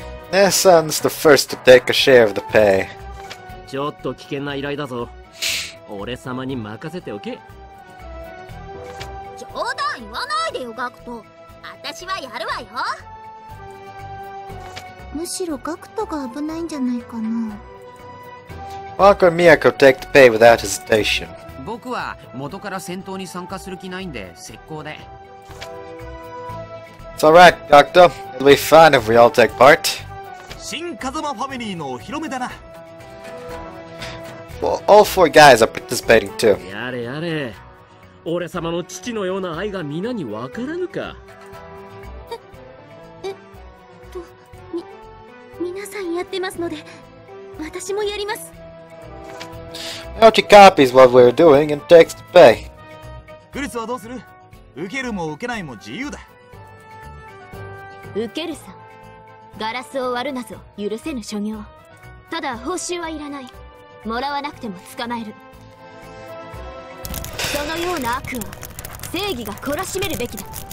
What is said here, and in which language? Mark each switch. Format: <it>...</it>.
<en>Their son's the first to take a share of the pay.</en> <ja>ちょっと危険な依頼だぞ。俺様に任せておけ。冗談言わないでよ、ガクト。私はやるわよ。むしろガクトが危ないんじゃないかな。</ja> <en>Marco and Miyako take the pay without hesitation.</en> <ja>僕は元から戦闘に参加する気ないんで、石膏で。</ja> <en>It's alright, Doctor. It'll be fine if we all take part.</en> <ja>新風間ファミリーのお披露目だな。</ja> <en>Well, all four guys are participating too.</en> <ja>やれやれ。俺様の父のような愛が皆にわからぬか。皆さんやってますので、私もやります。</ja> <en>Now she copies what we're doing and takes the pay.</en> <ja>クリスはどうする？受けるも受けないも自由だ。受けるさ。ガラスを割るなぞ許せぬ所業。ただ報酬はいらない。もらわなくても捕まえる。そのような悪は正義が懲らしめるべきだ。</ja>